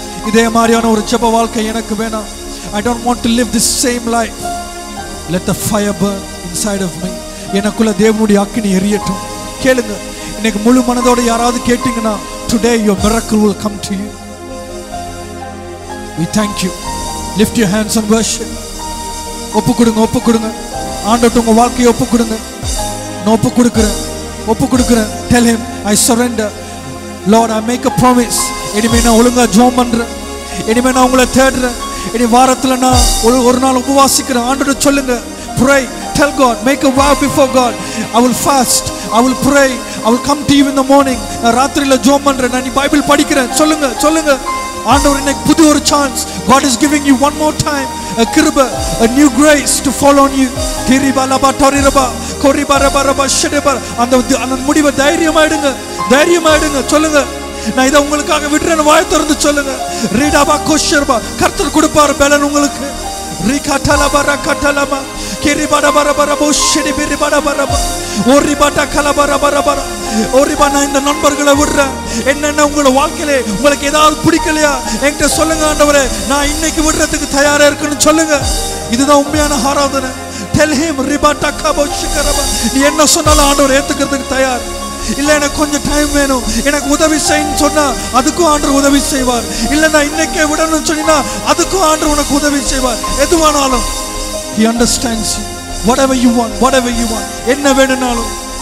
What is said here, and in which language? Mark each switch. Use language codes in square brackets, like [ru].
[ta] இதே மாதிரியான ஒரு ஜெப வாழ்க்கை எனக்கு வேணும். [en] I don't want to live this same life. Let the fire burn inside of me. [ta] எனக்குள்ள தேவனுடைய அக்கினி எரியட்டும். கேளுங்க, இன்னைக்கு முழு மனதோட யாராவது கேட்டீங்கன்னா, [en] Today your miracle will come to you. We thank you. Lift your hands and worship. [ta] ஒப்புக்கொடுங்க, ஒப்புக்கொடுங்க. ஆண்டவர் உங்க வாழ்க்கையை ஒப்புக்கொடுங்க. நான் ஒப்புக்கொடுக்கிறேன், ஒப்புக்கொடுக்கிறேன். [en] Tell him, I surrender. Lord, I make a promise. [ta] இனிமே நான் ஒழுங்கா ஜெபம் பண்றேன். இனிமே நான் உங்களை தேடுறேன். இனி வாரத்தில் நான் ஒரு நாள் உபவாசிக்கிறேன். ஆண்டவர் சொல்லுங்க, [en] Pray, tell God, make a vow before God. I will fast, I will pray, I will come to you in the morning. [ta] நான் ராத்திரியில் ஜெபம் பண்றேன், நான் நீ பைபிள் படிக்கிறேன். சொல்லுங்க, சொல்லுங்க. ஆண்டவர் இன்னைக்கு புது ஒரு chance. [en] God is giving you one more time, a kiruba, a new grace to fall on you. Kiribalaba tariraba, koribarabaraba shiribar. [ta] அந்த முடிவை தைரியமாயிடுங்க, தைரியமாயிடுங்க. சொல்லுங்க, நான் இதை உங்களுக்காக விடுறேன். வாய் திறந்து சொல்லுங்க. ரீடாபா கோஷர்பா, கர்த்தர் கொடுப்பார் பலன் உங்களுக்கு. ரீகாட்டலபர கட்டலம கிரிபடபரபர பூஷடி பிரிபடபரப ஒரிபட கலபரபரபர ஒரிபா. நான் இந்த நண்பர்களை விடுறேன். என்னென்ன உங்களோட வாழ்க்கையிலே உங்களுக்கு ஏதாவது பிடிக்கலையா என்கிட்ட சொல்லுங்க. ஆண்டவரே, நான் இன்னைக்கு விடுறதுக்கு தயாரா இருக்குன்னு சொல்லுங்க. இதுதான் உண்மையான ஆராதனை. [en] tell him [ta] ரிபட கபோஷிகரப. நீ என்ன சொன்னாலும் ஆண்டவரே ஏத்துக்கிறதுக்கு தயார். இல்ல, எனக்கு கொஞ்சம் டைம் வேணும், எனக்கு உதவி செய்யணும் சொன்னா அதுக்கும் ஆண்டர் உதவி செய்வார். இல்ல, நான் இன்னைக்கே விடணும் சொன்னா அதுக்கும் ஆண்டர் உனக்கு உதவி செய்வார். எதுவானாலும் [en] He understands you. Whatever you want, whatever you want, [ta] என்ன வேணும்னாலும்.